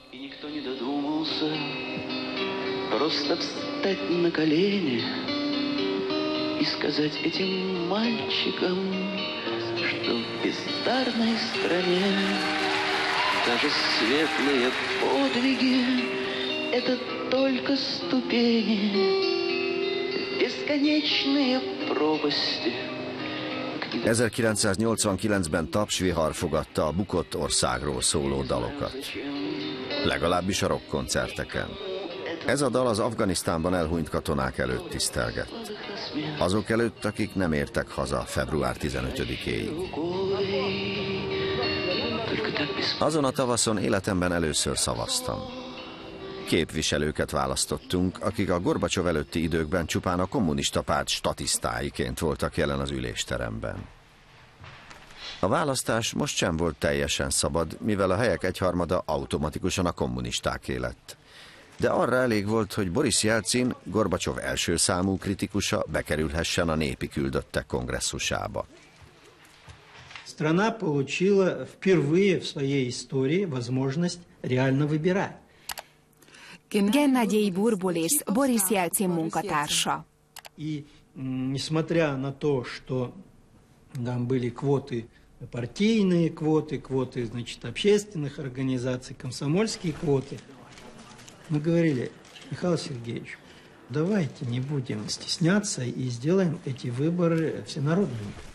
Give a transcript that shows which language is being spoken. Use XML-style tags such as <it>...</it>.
<ru>Никто не додумался просто встать на колени и сказать этим мальчикам, что в бездарной стране даже светлые подвиги — это только ступени, бесконечные пропасти.</ru> <hu>1989-ben tapsvihar fogadta a bukott országról szóló dalokat. Legalábbis a rockkoncerteken. Ez a dal az Afganisztánban elhunyt katonák előtt tisztelgett. Azok előtt, akik nem értek haza február 15-éig. Azon a tavaszon életemben először szavaztam. Képviselőket választottunk, akik a Gorbacsov előtti időkben csupán a kommunista párt statisztáiként voltak jelen az ülésteremben. A választás most sem volt teljesen szabad, mivel a helyek egyharmada automatikusan a kommunistáké lett. De arra elég volt, hogy Boris Jelcin, Gorbacsov első számú kritikusa, bekerülhessen a népi küldöttek kongresszusába.</hu> <ru>Страна получила впервые в своей истории возможность реально выбирать.</ru> <hu>Геннадий Бурбулис, Борис Ельцин, munkatársa.</hu> <ru>И несмотря на то, что там были квоты партийные, квоты, значит, общественных организаций, комсомольские квоты, мы говорили: Михаил Сергеевич, давайте не будем стесняться и сделаем эти выборы всенародными.</ru>